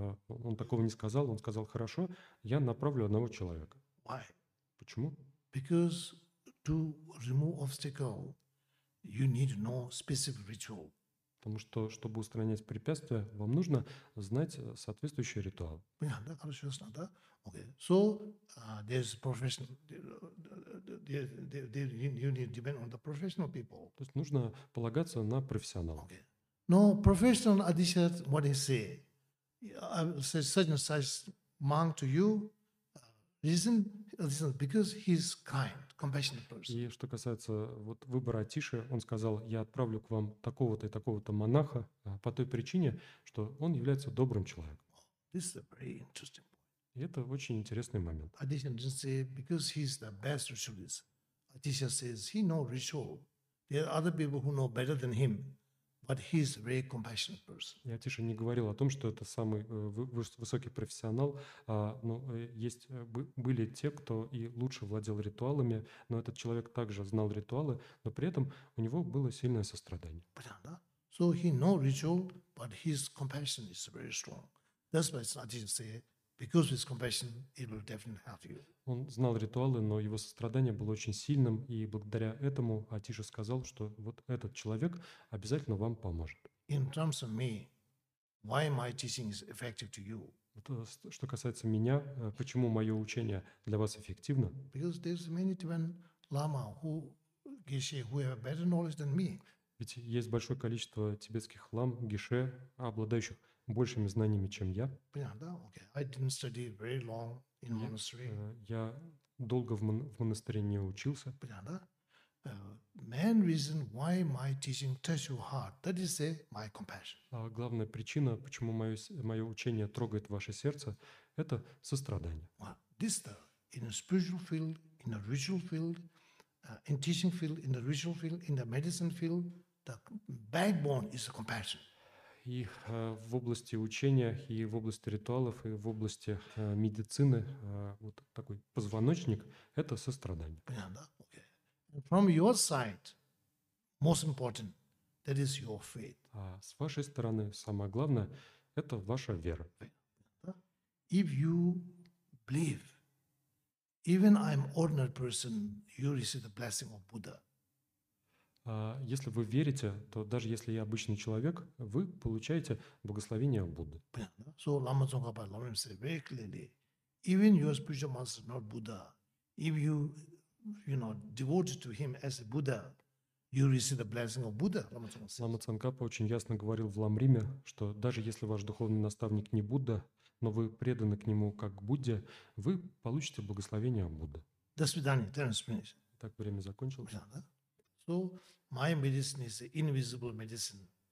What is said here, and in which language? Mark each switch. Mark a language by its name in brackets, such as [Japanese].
[Russian] Он такого не сказал. Он сказал, хорошо, я направлю одного человека. [English] Why? [Russian] Почему? [English] Because to remove obstacle, you need no specific ritual. [Russian] Потому что, чтобы устранять препятствия, вам нужно знать соответствующий ритуал. Понятно, да? Хорошо, ясно, да? Okay. [English] So, there's professional. You need to depend on the professional people. [Russian] То есть нужно полагаться на профессионалов. Okay. [English] No, professional, I just said what he said. I said such and such monk to you. Listen, because he's kind. [Russian] И что касается вот выбора Атиши, он сказал, я отправлю к вам такого-то и такого-то монаха по той причине, что он является добрым человеком. [English] This is a very interesting point. [Russian] И это очень интересный момент. [English] Atisha didn't say, because he's the best ritualist. Atisha says, he knows ritual. There are other people who know better than him. But he's a very compassionate person. [Russian] Я тише не говорил о том, что это самый высокий профессионал, но были те, кто и лучше владел ритуалами, но этот человек также знал ритуалы, но при этом у него было сильное сострадание. Понятно? [English] So he knows ritual, but his compassion is very strong. That's why I didn't say, because his compassion, it will definitely help you. [Russian] Он знал ритуалы, но его сострадание было очень сильным, и благодаря этому Атиша сказал, что вот этот человек обязательно вам поможет. [English] In terms of me, why my teaching is effective to you? [Russian] Что касается меня, почему мое учение для вас эффективно? [English] Because there's many Tibetan lama who have better knowledge than me. [Russian] Ведь есть большое количество тибетских лам, гише, обладающих большими знаниями, чем я. [English] Понятно, okay. I didn't study very long. [Russian] Я долго в монастыре не учился. Понятно? [English] Main reason why my teaching touch your heart, that is say, my compassion. [Russian] Главная причина, почему мое учение трогает ваше сердце, это сострадание. [English] This in a spiritual field, in a ritual field, in teaching field, in the ritual field, in the medicine field, the backbone is compassion. [Russian] И в области учения, и в области ритуалов, и в области медицины вот такой позвоночник – это сострадание. Понятно, да? Okay. [English] From your side, most important, that is your faith. [Russian] А с вашей стороны самое главное – это ваша вера. [English] If you believe, even I'm ordinary person, you receive the blessing of Buddha. [Russian] Если вы верите, то даже если я обычный человек, вы получаете благословение Будды. [English] So Lama Tsongkhapa Lamrim said very clearly, even your spiritual master is not Buddha. If you know, devoted to him as a Buddha, you receive the blessing of Buddha. [Russian] Lama Tsongkhapa очень ясно говорил в Ламриме, что даже если ваш духовный наставник не Будда, но вы преданы к нему как к Будде, вы получите благословение Будды. До свидания, Терренс Принц. Так, время закончилось. [English] Yeah, right? So my medicine is invisible medicine.